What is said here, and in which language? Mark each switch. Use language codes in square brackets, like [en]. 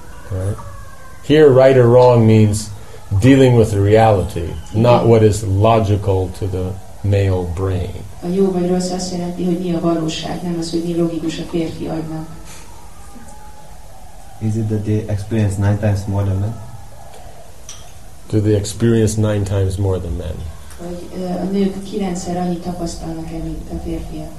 [en] Right? Here, right or wrong means dealing with reality, not what is logical to the male brain. [hu] A jó vagy rossz azt jelenti, hogy mi a valóság, nem az, hogy mi logikus a férfi agynak. [en] Is it that they experience nine times more than men? Do they experience nine times more than men? [hu] A nők kilencszer annyit tapasztalnak, mint a férfiak.